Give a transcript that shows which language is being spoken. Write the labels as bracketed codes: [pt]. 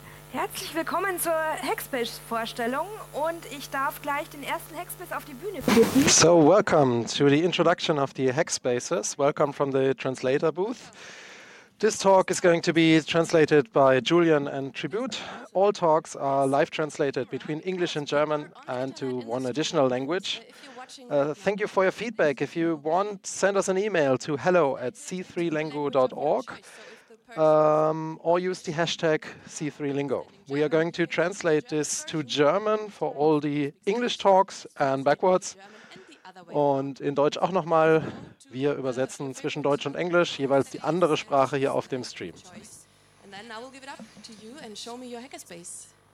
[de] Herzlich willkommen zur Hexpish-Vorstellung und ich darf gleich den ersten Hexpish auf die Bühne bringen. [en] So, welcome to the introduction of the Hexpaces. Welcome from the translator booth. This talk is going to be translated by Julian and Tribute. All talks are live translated between English and German and to one additional language. Thank you for your feedback. If you want, send us an email to hello@c3lingo.org. Or use the hashtag C3Lingo. We are going to translate this to German for all the English talks and backwards. [de] Und in Deutsch auch nochmal. Wir übersetzen zwischen Deutsch und Englisch jeweils die andere Sprache hier auf dem Stream. [en] And then I will give it up to you and show me your hackerspace.